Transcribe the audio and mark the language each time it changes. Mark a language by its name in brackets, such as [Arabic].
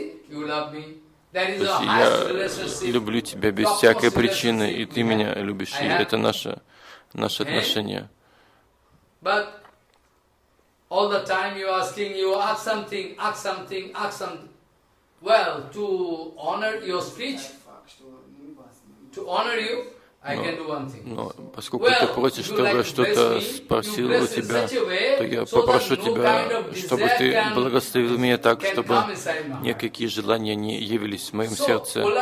[Russian] То есть я люблю тебя без всякой причины, и ты меня любишь. И это наше отношение. [English] All the time you asking, you ask something, ask something, ask something. Well, to honor your speech, to honor you, I can do one thing. [Russian] Но поскольку ты просишь, чтобы что-то спросил у тебя, то я попрошу тебя, чтобы ты благословил меня так, чтобы никакие желания не явились в моем сердце.